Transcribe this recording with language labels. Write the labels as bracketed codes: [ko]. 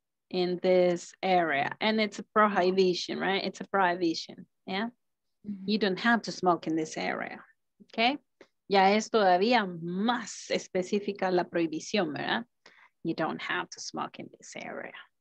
[en] In this area, and it's a prohibition, right? It's a prohibition, yeah? You don't have to smoke in this area, okay? [es] ya es todavía más específica la prohibición, ¿verdad? [en] You don't have to smoke in this area.